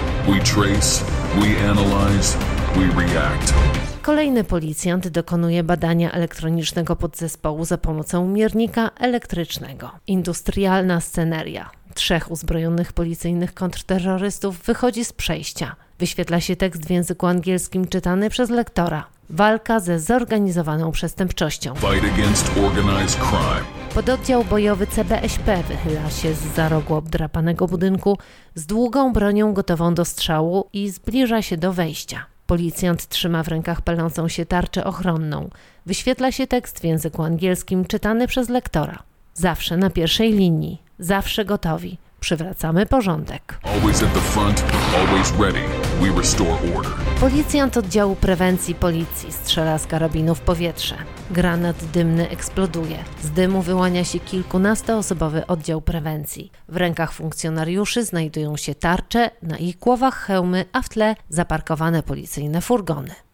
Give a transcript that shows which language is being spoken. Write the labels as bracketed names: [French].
[English] We trace, we analyze, we react. [Polish] Kolejny policjant dokonuje badania elektronicznego podzespołu za pomocą miernika elektrycznego. Industrialna sceneria. Trzech uzbrojonych policyjnych kontrterrorystów wychodzi z przejścia. Wyświetla się tekst w języku angielskim czytany przez lektora. Walka ze zorganizowaną przestępczością. [English] Fight against organized crime. [Polish] Pododdział bojowy CBŚP wychyla się zza rogu obdrapanego budynku z długą bronią gotową do strzału i zbliża się do wejścia. Policjant trzyma w rękach palącą się tarczę ochronną. Wyświetla się tekst w języku angielskim czytany przez lektora. Zawsze na pierwszej linii. Zawsze gotowi. Przywracamy porządek. [English] Always at the front, always ready. We restore order. [Polish] Policjant oddziału prewencji policji strzela z karabinu w powietrze. Granat dymny eksploduje. Z dymu wyłania się kilkunastoosobowy oddział prewencji. W rękach funkcjonariuszy znajdują się tarcze, na ich głowach hełmy, a w tle zaparkowane policyjne furgony.